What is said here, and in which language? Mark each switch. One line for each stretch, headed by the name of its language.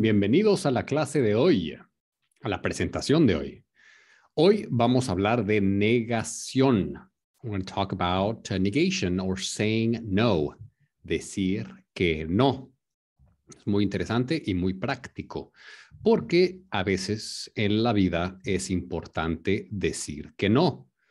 Spanish: Bienvenidos a la clase de hoy, a la presentación de hoy. Hoy vamos a hablar de negación.
English: We're going to talk about negation or saying no,
Spanish: decir que no. Es muy interesante y muy práctico, porque a veces en la vida es importante decir que no.